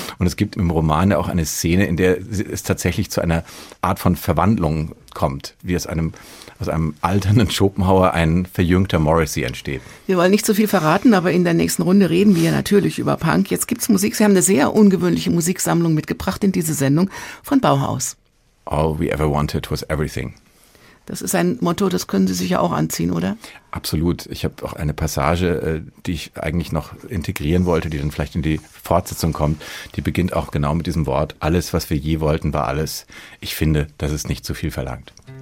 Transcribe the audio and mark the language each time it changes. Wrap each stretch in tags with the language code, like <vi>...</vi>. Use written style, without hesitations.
<de>Und es gibt im Roman ja auch eine Szene, in der es tatsächlich zu einer Art von Verwandlung kommt, wie es aus einem alternden Schopenhauer ein verjüngter Morrissey entsteht. Wir wollen nicht zu viel verraten, aber in der nächsten Runde reden wir natürlich über Punk. Jetzt gibt's Musik. Sie haben eine sehr ungewöhnliche Musiksammlung mitgebracht in diese Sendung von Bauhaus.</de> <en>All we ever wanted was everything.</en> <de>Das ist ein Motto, das können Sie sich ja auch anziehen, oder? Absolut. Ich habe auch eine Passage, die ich eigentlich noch integrieren wollte, die dann vielleicht in die Fortsetzung kommt. Die beginnt auch genau mit diesem Wort. Alles, was wir je wollten, war alles. Ich finde, das ist nicht zu viel verlangt.</de>